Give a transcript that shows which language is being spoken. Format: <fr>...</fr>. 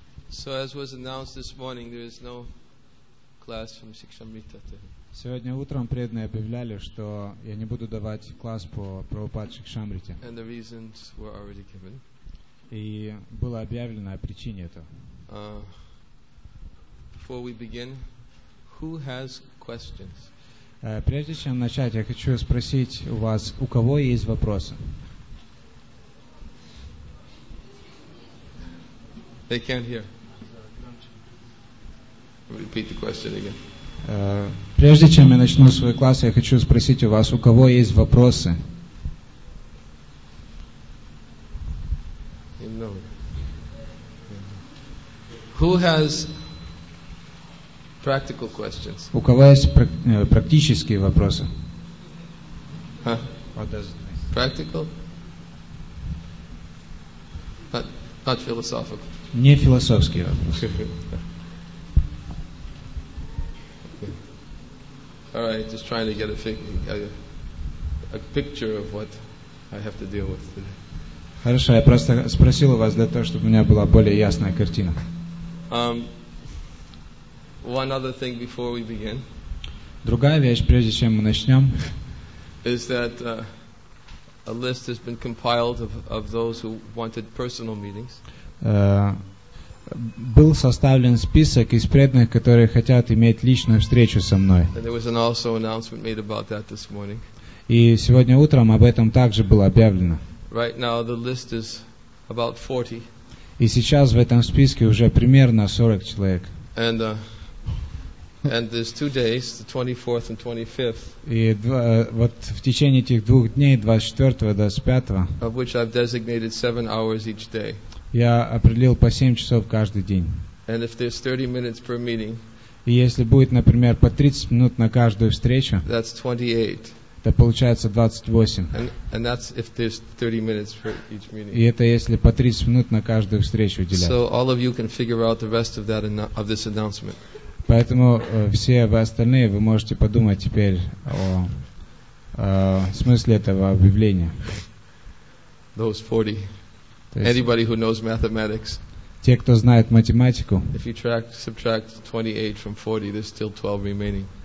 <en>So as was announced this morning, there is no class from Shikshamrita today.</en> <ru>Сегодня утром преданные объявляли, что я не буду давать класс по Прабхупаде Шикшамрите.</ru> <en>And the reasons were already given.</en> <ru>И было объявлено о причине этого.</ru> <en>Before we begin, who has questions?</en> <ru>Прежде чем начать, я хочу спросить у вас, у кого есть вопросы?</ru> <en>They can't hear. Repeat the question again.</en> <ru>Прежде чем я начну свой класс, я хочу спросить у вас, у кого есть вопросы?</ru> <en>Who has practical questions?</en> <ru>У кого есть практические вопросы? Huh?</ru> <en>What does it mean? Practical? But not philosophical.</en> <ru>Не философские вопросы.</ru> <en>All right, just trying to get a picture of what I have to deal with today.</en> <ru>Хорошо, я просто спросил у вас для того, чтобы у меня была более ясная картина.</ru> <en>One other thing before we begin.</en> <ru>Другая вещь, прежде чем мы начнем.</ru> <en>Is that a list has been compiled of those who wanted personal meetings.</en> <ru>Был составлен список из преданных, которые хотят иметь личную встречу со мной.</ru> <en>And there was an also announcement made about that this morning.</en> <ru>И сегодня утром об этом также было объявлено.</ru> <en>Right now the list is about 40.</en> <ru>И сейчас в этом списке уже примерно 40 человек.</ru> <en>And, and there's 2 days, the 24th and 25th.</en> <ru>И вот в течение этих двух дней, 24-го и 25-го,</ru> <en>of which I've designated 7 hours each day.</en> <ru>Я определил по 7 часов каждый день.</ru> <en>And if there's 30 minutes per meeting,</en> <ru>и если будет, например, по 30 минут на каждую встречу,</ru> <en>that's 28.</en> <ru>Это получается 28.</ru> <en>And that's if there's 30 minutes for each meeting.</en> <ru>И это если по 30 минут на каждую встречу уделять.</ru> <en>So all of you can figure out the rest of that of this announcement.</en> <ru>Поэтому все вы остальные, вы можете подумать теперь о смысле этого объявления.</ru> <en>Those 40. Anybody who knows mathematics.</en> <ru>Те, кто знает математику.</ru> <en>If you subtract 28 from 40, there's still 12 remaining.</en>